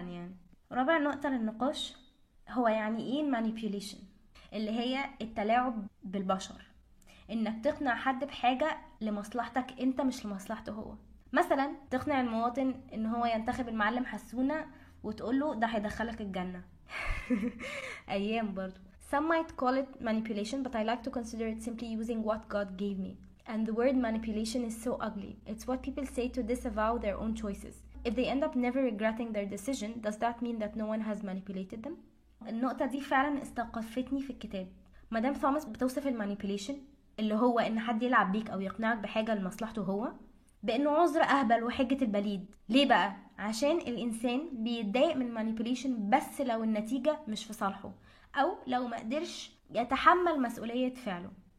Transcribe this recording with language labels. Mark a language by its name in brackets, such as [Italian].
[Arabic] يعني رابع نقطة للنقاش هو يعني ايه manipulation، اللي هي التلاعب بالبشر، انك تقنع حد بحاجة لمصلحتك انت مش لمصلحته هو. مثلا تقنع المواطن ان هو ينتخب المعلم حسونة وتقول له ده هيدخلك الجنة. ايام برضو [English] some might call it manipulation but I like to consider it simply using what God gave me. And the word manipulation is so ugly. It's what people say to disavow their own choices. If they end up never regretting their decision, does that mean that no one has manipulated them? [Arabic] النقطة دي فعلا استوقفتني في الكتاب. مدام ثامس بتوصف المانيبوليشن اللي هو ان حد يلعب بيك او يقنعك بحاجة لمصلحته هو بانه عذر اهبل وحجة البليد. ليه بقى؟ عشان الانسان بيتضايق من المانيبوليشن بس لو النتيجة مش في صالحه او لو ما قدرش يتحمل مسؤولية فعله.